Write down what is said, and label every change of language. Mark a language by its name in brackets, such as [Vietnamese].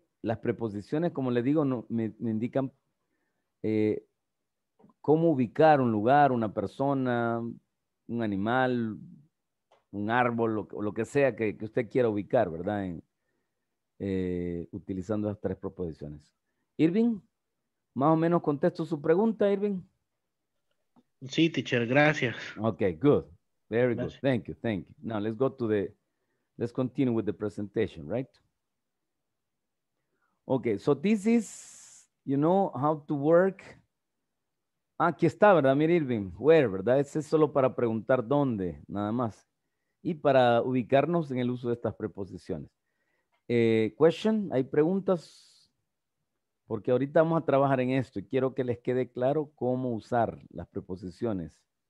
[Spanish] Las preposiciones, como les digo, me indican cómo ubicar un lugar, una persona, un animal, un árbol, o lo que sea que usted quiera ubicar, ¿verdad? Utilizando las tres preposiciones. Irving, más o menos contesto su pregunta, Irving. Sí, teacher, gracias. [English] Ok, good. Very gracias. Good. Thank you, thank you. Now, let's go to the Let's continue with the presentation, right? Okay, so this is, you know, how to work. [Spanish] Aquí está, ¿verdad? Mira, Irving, where, ¿verdad? Ese es solo para preguntar dónde, nada más. Y para ubicarnos en el uso de estas preposiciones. Question, ¿hay preguntas? Porque ahorita vamos a trabajar en esto y quiero que les quede claro cómo usar las preposiciones.